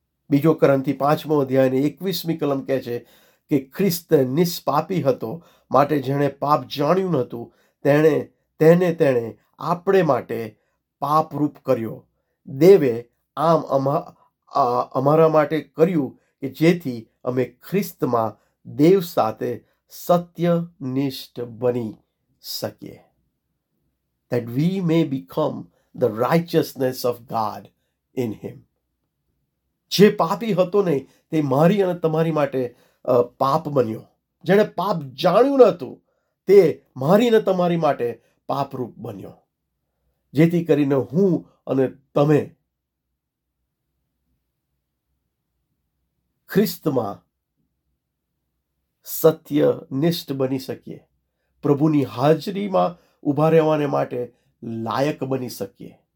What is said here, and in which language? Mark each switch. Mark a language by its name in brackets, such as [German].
[Gujarati] બીજો કરંથી 5મો અધ્યાય 21મી કલમ કહે છે કે ખ્રિસ્ત નિષ્પાપી હતો, માટે જેણે પાપ જાણ્યું નહોતું તેણે આપણે માટે પાપરૂપ કર્યો. દેવે આમ અમારા માટે કર્યું કે જેથી અમે ખ્રિસ્તમાં દેવ સાથે સત્યનિષ્ઠ બની શકીએ. [English] That we may become the righteousness of God in him. [Gujarati] જે પાપી હતો નહીં તે મારી અને તમારી માટે પાપ બન્યો. જેણે પાપ જાણ્યું નહોતું તે મારી અને તમારી માટે પાપરૂપ બન્યો. જેથી કરીને હું અને તમે ખ્રિસ્તમાં સત્યનિષ્ઠ બની શકીએ, પ્રભુની હાજરીમાં ઊભા રહેવાને માટે લાયક બની શકીએ.